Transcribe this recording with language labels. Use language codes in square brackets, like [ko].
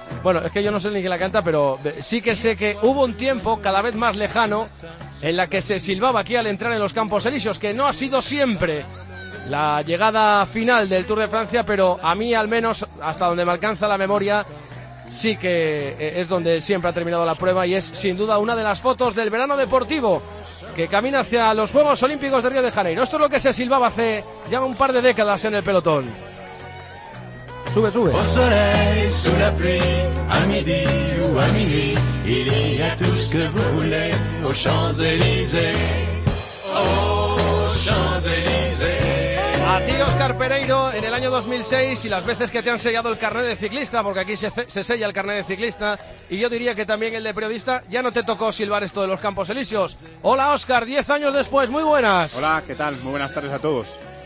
[es] Bueno, es que yo no sé ni quién la canta, pero sí que sé que hubo un tiempo cada vez más lejano en la que se silbaba aquí al entrar en los Campos Elíseos, que no ha sido siempre la llegada final del Tour de Francia, pero a mí al menos, hasta donde me alcanza la memoria, sí que es donde siempre ha terminado la prueba, y es sin duda una de las fotos del verano deportivo que camina hacia los Juegos Olímpicos de Río de Janeiro. Esto es lo que se silbaba hace ya un par de décadas en el pelotón. Sube, sube. [fr] Au soleil, sous la pluie, à midi ou à minuit, il y a tout ce que vous voulez aux Champs-Élysées. Aux Champs-Élysées. [es] A ti, Óscar Pereiro, en el año 2006, y las veces que te han sellado el carnet de ciclista, porque aquí se sella el carnet de ciclista, y yo diría que también el de periodista, ya no te tocó silbar esto de los Campos Elíseos. Hola, Óscar, 10 años después, muy buenas. Hola, ¿qué tal? Muy buenas tardes a todos.